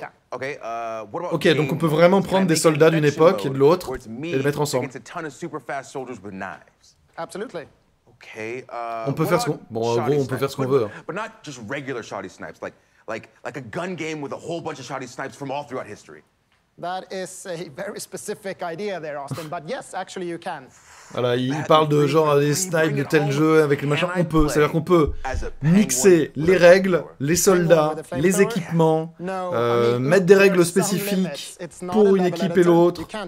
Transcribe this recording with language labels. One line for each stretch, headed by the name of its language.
French: Okay. Ok, donc on peut vraiment prendre des soldats d'une époque et de l'autre et les mettre ensemble. On peut faire ce qu'on... Bon, en gros, on peut faire ce qu'on veut.
English: But not just regular shoddy snipes, like a gun game with a whole bunch of shoddy snipes from all throughout history. That is a very specific idea there, Austin. But yes, actually, you can.
French: Voilà, il parle de genre des snipes de tel jeu avec le machin. On peut, c'est-à-dire qu'on peut mixer les règles, les soldats, les équipements, mettre des règles spécifiques pour une équipe et l'autre.